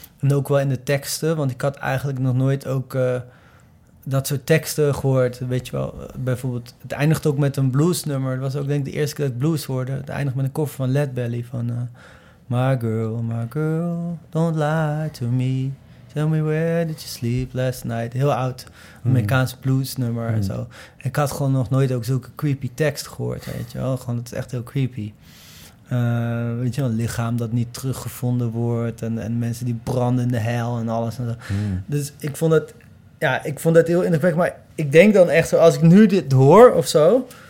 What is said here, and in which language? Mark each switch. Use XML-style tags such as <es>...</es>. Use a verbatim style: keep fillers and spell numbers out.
<nl>En ook wel in de teksten, want ik had eigenlijk nog nooit ook... Uh, dat soort teksten gehoord, weet je wel. Bijvoorbeeld, het eindigt ook met een bluesnummer. Dat was ook denk ik de eerste keer dat ik blues hoorde. Het eindigt met een cover van Lead Belly van... Uh,</nl> <en>my girl, my girl, don't lie to me. Tell me where did you sleep last night.</en> <nl>Heel oud, Amerikaans mm. bluesnummer mm. en zo. Ik had gewoon nog nooit ook zulke creepy tekst gehoord, weet je wel. Gewoon, het is echt heel creepy. Uh, weet je wel, een lichaam dat niet teruggevonden wordt... en, en mensen die branden in de hel en alles. En zo. Mm. Dus ik vond het... Ja, ik vond dat heel indrukwekkend. Maar ik denk dan echt zo, als ik nu dit hoor of zo...</nl>